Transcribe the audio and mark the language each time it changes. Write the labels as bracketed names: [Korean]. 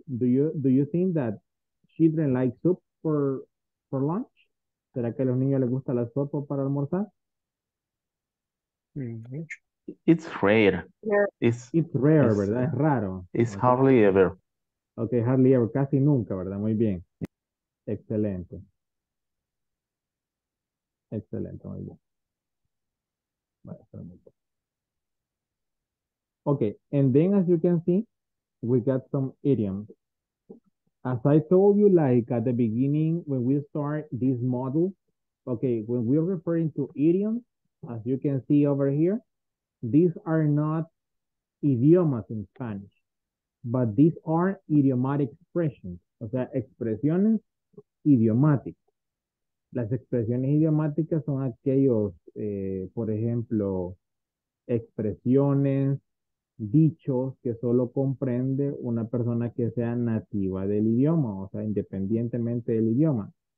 [English] Do you think that children like soup for lunch? [Spanish] ¿Será que a los niños les gusta la sopa para almorzar? [English] It's rare. It's [Spanish] rare, ¿verdad? Es raro. [English] It's hardly ever. Okay, hardly ever. [Spanish] Casi nunca, ¿verdad? Muy bien. Excelente. Excelente, muy bien. Vale, está muy bien. [English] Okay, and then as you can see, we got some idioms. As I told you, like at the beginning, when we start this module, okay, when we're referring to idioms, as you can see over here, these are not idiomas in Spanish, but these are idiomatic expressions. [Spanish] O sea, expresiones idiomáticas. Las expresiones idiomáticas son aquellos, por ejemplo, expresiones, dichos que solo comprende una persona que sea nativa del idioma, o sea, independientemente del idioma.